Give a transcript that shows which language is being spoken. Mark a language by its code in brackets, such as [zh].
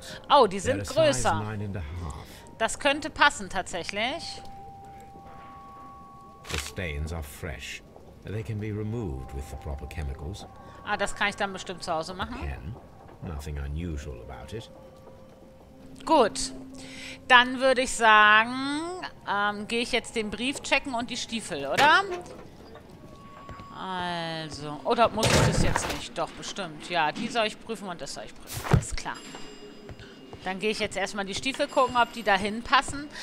[de] Oh, die sind größer. Das könnte passen tatsächlich. [en] The stains are fresh. They can be removed with the proper chemicals. [de] Ah, das kann ich dann bestimmt zu Hause machen. [en] Again, nothing unusual about it. [de] Gut. Dann würde ich sagen, gehe ich jetzt den Brief checken und die Stiefel, oder? Also, oder muss ich das jetzt nicht? Doch, bestimmt. Ja, die soll ich prüfen und das soll ich prüfen. Alles klar. Dann gehe ich jetzt erstmal die Stiefel gucken, ob die dahin passen.